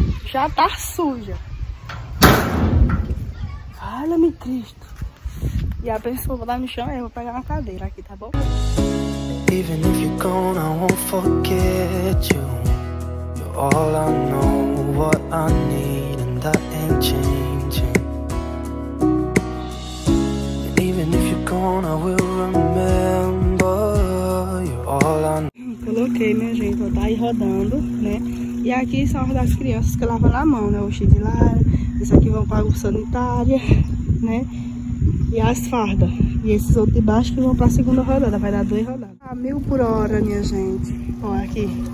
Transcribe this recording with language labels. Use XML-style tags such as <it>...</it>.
<pt>Já tá suja. Olha, meu Cristo. E a pessoa vai dar no chão, eu vou pegar uma cadeira aqui, tá bom?</pt> <en>Even if you're gone, I won't forget you. You're all I know, what I need, and that ain't changing. Even if you're gone, I will remember. You're all I know.</en> <pt>Coloquei, minha gente, tá aí rodando, né? E aqui são as das crianças que lavam na mão, né? O xixi de lá. Esse aqui vão para a água sanitária, né? E as fardas. E esses outros de baixo que vão para a segunda rodada. Vai dar 2 rodadas. Tá 1000 por hora, minha gente. Ó, aqui.</pt>